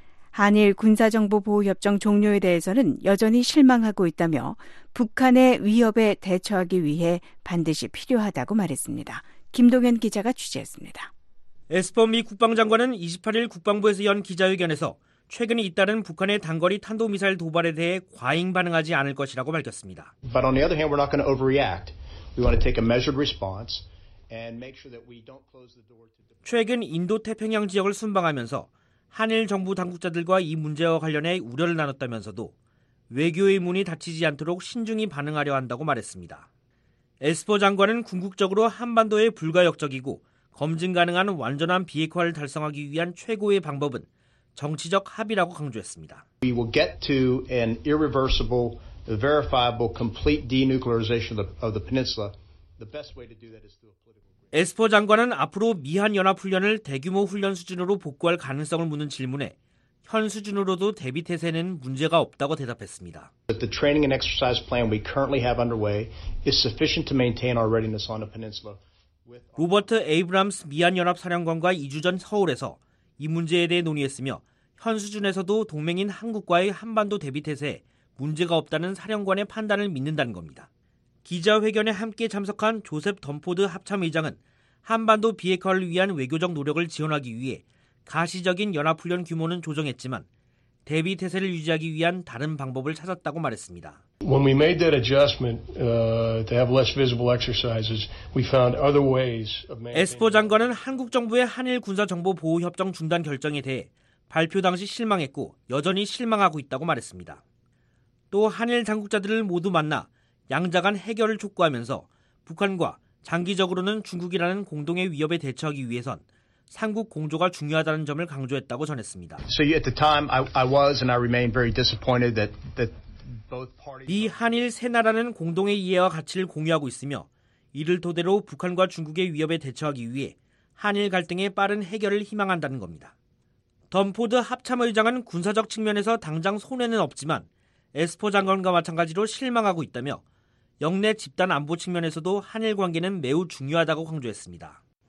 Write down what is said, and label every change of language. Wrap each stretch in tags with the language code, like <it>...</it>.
<ko>한일 군사정보보호협정 종료에 대해서는 여전히 실망하고 있다며 북한의 위협에 대처하기 위해 반드시 필요하다고 말했습니다. 김동현 기자가 취재했습니다. 에스퍼 미 국방장관은 28일 국방부에서 연 기자회견에서 최근 잇따른 북한의 단거리 탄도미사일 도발에 대해 과잉 반응하지 않을 것이라고 밝혔습니다.</ko> <en>But on the other hand, we're not going to overreact. We want to take a measured response and make sure that we don't close the door to the.</en> <ko>최근 인도 태평양 지역을 순방하면서 한일 정부 당국자들과 이 문제와 관련해 우려를 나눴다면서도 외교의 문이 닫히지 않도록 신중히 반응하려 한다고 말했습니다. 에스퍼 장관은 궁극적으로 한반도의 불가역적이고 검증 가능한 완전한 비핵화를 달성하기 위한 최고의 방법은 정치적 합의라고 강조했습니다.</ko> <en>We will get to an irreversible, verifiable, complete denuclearization of the peninsula. The best way to do that is through a political.</en> <ko>에스퍼 장관은 앞으로 미한 연합 훈련을 대규모 훈련 수준으로 복구할 가능성을 묻는 질문에 현 수준으로도 대비 태세는 문제가 없다고 대답했습니다.</ko> <en>The training and exercise plan we currently have underway is sufficient to maintain our readiness on the peninsula.</en> <ko>로버트 에이브람스 미한 연합 사령관과 2주 전 서울에서 이 문제에 대해 논의했으며 현 수준에서도 동맹인 한국과의 한반도 대비 태세에 문제가 없다는 사령관의 판단을 믿는다는 겁니다. 기자회견에 함께 참석한 조셉 덤포드 합참의장은 한반도 비핵화를 위한 외교적 노력을 지원하기 위해 가시적인 연합훈련 규모는 조정했지만 대비 태세를 유지하기 위한 다른 방법을 찾았다고 말했습니다.</ko> <en>When we made that adjustment to have less visible exercises, we found other ways of maintaining.</en> <ko>에스퍼 장관은 한국 정부의 한일 군사정보보호협정 중단 결정에 대해 발표 당시 실망했고 여전히 실망하고 있다고 말했습니다. 또 한일 당국자들을 모두 만나 양자 간 해결을 촉구하면서 북한과 장기적으로는 중국이라는 공동의 위협에 대처하기 위해선 삼국 공조가 중요하다는 점을 강조했다고 전했습니다.</ko> <en>So at the time, I was and I remain very disappointed that both parties.</en> <ko>미 한일 세 나라는 공동의 이해와 가치를 공유하고 있으며 이를 토대로 북한과 중국의 위협에 대처하기 위해 한일 갈등의 빠른 해결을 희망한다는 겁니다. 덤포드 합참의장은 군사적 측면에서 당장 손해는 없지만 에스퍼 장관과 마찬가지로 실망하고 있다며 영내 집단 안보 측면에서도 한일 관계는 매우 중요하다고 강조했습니다.</ko>